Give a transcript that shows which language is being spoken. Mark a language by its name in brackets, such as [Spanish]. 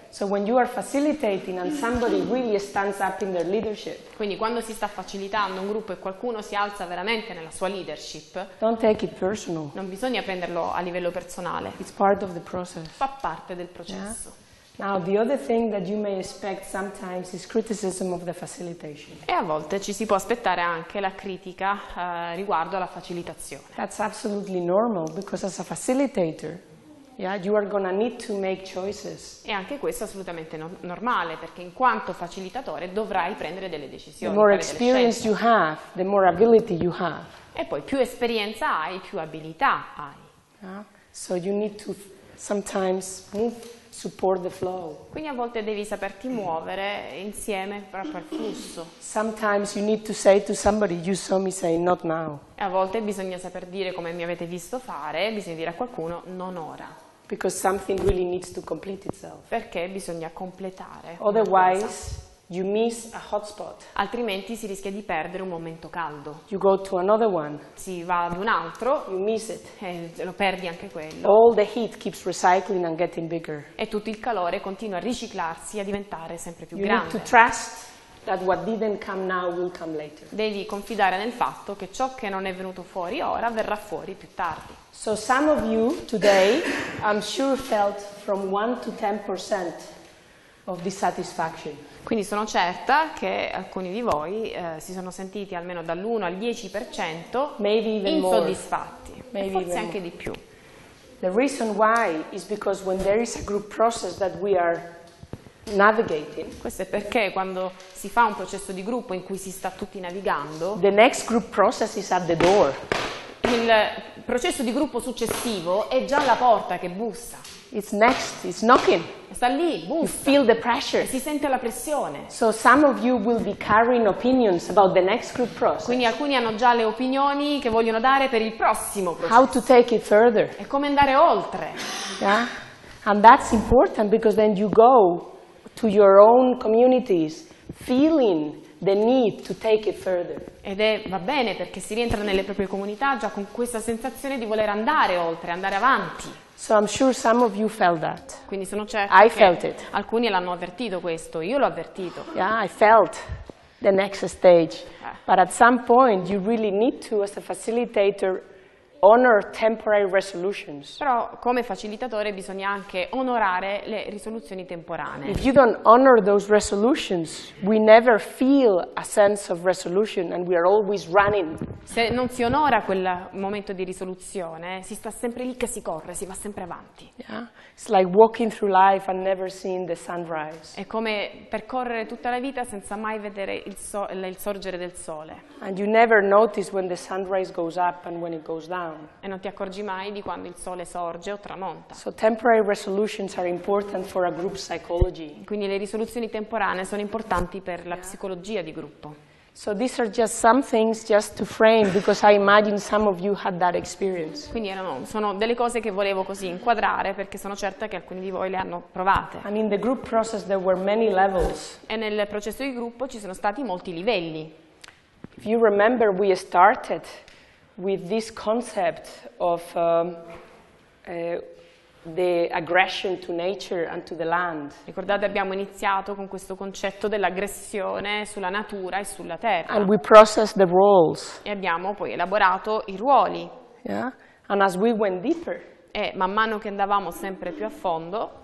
[English] So when you are facilitating and somebody really stands up in their leadership. [Italian] Quindi quando si sta facilitando un gruppo e qualcuno si alza veramente nella sua leadership. [English] Don't take it personal. [Italian] Non bisogna prenderlo a livello personale. [English] It's part of the process. [Italian] Fa parte del processo. [English] Yeah. Now the other thing that you may expect sometimes is criticism of the facilitation. [Italian] E a volte ci si può aspettare anche la critica riguardo alla facilitazione. [English] That's absolutely normal because as a facilitator. Yeah, you are gonna need to make choices. [Italian] E anche questo è assolutamente normale, perché in quanto facilitatore dovrai prendere delle decisioni. [English] The more experience you have, the more ability you have. [Italian] E poi più esperienza hai, più abilità hai. [English] Yeah. So you need to sometimes move, support the flow. [Italian] Quindi a volte devi saperti muovere insieme proprio al flusso. [English] Sometimes you need to say to somebody, you saw me say, not now. [Italian] E a volte bisogna saper dire come mi avete visto fare, bisogna dire a qualcuno, non ora. [English] Because something really needs to complete itself. [Italian] Perché bisogna completare. [English] Otherwise, you miss a hotspot. [Italian] Altrimenti si rischia di perdere un momento caldo. [English] You go to another one. [Italian] Si va ad un altro. [English] You miss it. [Italian] E lo perdi anche quello. [English] All the heat keeps recycling and getting bigger. [Italian] E tutto il calore continua a riciclarsi e a diventare sempre più you grande. [English] You need to trust that what didn't come now will come later. [Italian] Devi confidare nel fatto che ciò che non è venuto fuori ora verrà fuori più tardi. [English] So some of you today, I'm sure, felt from 1 to 10% of dissatisfaction. [Italian] Quindi sono certa che alcuni di voi si sono sentiti almeno dall'1 al 10% [English] maybe even [Italian] insoddisfatti, [English] maybe [Italian] forse [English] even [Italian] anche [English] more. [Italian] Di più. [English] The reason why is because when there is a group process that we are navigating. [Italian] Questo è perché quando si fa un processo di gruppo in cui si sta tutti navigando. [English] The next group process is at the door. [Italian] Il processo di gruppo successivo è già alla porta che bussa. [English] It's next, it's knocking. [Italian] Sta lì, bussa. [English] You feel the pressure. [Italian] E si sente la pressione. [English] So some of you will be carrying opinions about the next group process. [Italian] Quindi alcuni hanno già le opinioni che vogliono dare per il prossimo processo. [English] How to take it further. [Italian] E come andare oltre. [English] Yeah? And that's important because then you go to your own communities feeling the need to take it further. [Italian] Ed è va bene perché si rientra nelle proprie comunità già con questa sensazione di voler andare oltre, andare avanti. [English] So I'm sure some of you felt that. [Italian] Quindi sono certa [English] I che felt it. [Italian] Alcuni l'hanno avvertito questo, io l'ho avvertito. [English] Yeah, I felt the next stage. But at some point you really need to, as a facilitator, honor temporary resolutions. [Italian] Però come facilitatore bisogna anche onorare le risoluzioni temporanee. [English] If you don't honor those resolutions, we never feel a sense of resolution and we are always running. [Italian] Se non si onora quel momento di risoluzione, si sta sempre lì che si corre, si va sempre avanti. [English] Yeah? It's like walking through life and never seeing the sunrise. [Italian] È come percorrere tutta la vita senza mai vedere il sorgere del sole. [English] And you never notice when the sunrise goes up and when it goes down. [Italian] E non ti accorgi mai di quando il sole sorge o tramonta. [English] So temporary resolutions are important for a group psychology. [Italian] Quindi le risoluzioni temporanee sono importanti per la psicologia di gruppo. [English] So these are just some things just to frame because I imagine some of you had that experience. [Italian] Quindi erano, sono delle cose che volevo così inquadrare perché sono certa che alcuni di voi le hanno provate. [English] And in the group process there were many levels. [Italian] E nel processo di gruppo ci sono stati molti livelli. [English] If you remember we started with this concept of the aggression to nature and to the land. [Italian] Ricordate, abbiamo iniziato con questo concetto dell'aggressione sulla natura e sulla terra. [English] And we processed the roles. [Italian] E abbiamo poi elaborato i ruoli. [English] Yeah. And as we went deeper. [Italian] E man mano che andavamo sempre più a fondo.